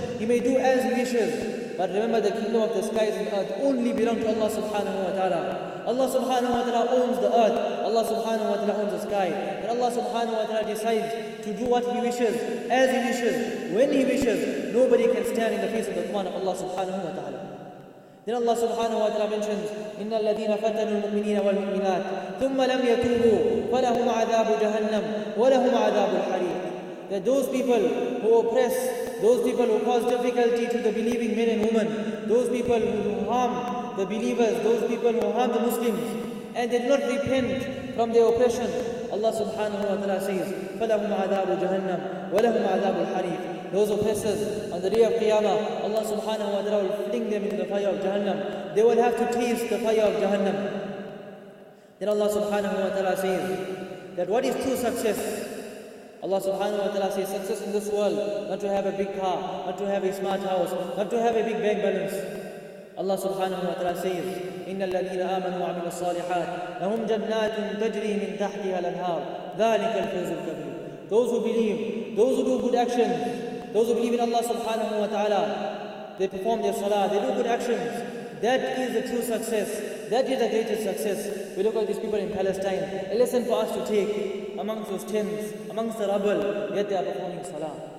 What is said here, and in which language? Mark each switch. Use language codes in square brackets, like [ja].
[en] He may do as he wishes. But remember, the kingdom of the skies and earth only belong to Allah subhanahu wa ta'ala. Allah subhanahu wa ta'ala owns the earth. Allah subhanahu wa ta'ala owns the sky. When Allah subhanahu wa ta'ala decides to do what he wishes, as he wishes, when he wishes, nobody can stand in the face of the command of Allah subhanahu wa ta'ala. [ar] Then Allah subhanahu wa ta'ala mentions, إن الذين فتنوا المؤمنين والمؤمنات ثم لم يتوبوا فلهم عذاب جهنم ولهم عذاب الحريق. [en] That those people who oppress, those people who cause difficulty to the believing men and women, those people who harm the believers, those people who harm the Muslims, and they do not repent from their oppression, Allah subhanahu wa ta'ala says, [ar] فلهم عذاب جهنم ولهم عذاب الحريق. [en] Those oppressors, on the day of Qiyamah, Allah subhanahu wa ta'ala will fling them into the fire of Jahannam. They will have to taste the fire of Jahannam. Then Allah subhanahu wa ta'ala says that what is true success? Allah subhanahu wa ta'ala says success in this world, not to have a big car, not to have a smart house, not to have a big bank balance. [ar] Allah subhanahu wa ta'ala says, إِنَّ الَّذِينَ آمَنُوا وَعَمِلُوا الصَّالِحَاتِ لَهُمْ جَنَّاتٌ تَجْرِي مِنْ تَحْتِهَا الْأَنْهَارِ ذَلِكَ الْفَوْزُ الْكَبِيرُ. [en] Those who believe, those who do good actions, those who believe in Allah subhanahu wa ta'ala, they perform their salah, they do good actions. That is the true success. That is the greatest success. We look at these people in Palestine. A lesson for us to take amongst those tents, amongst the rubble, yet they are performing salah.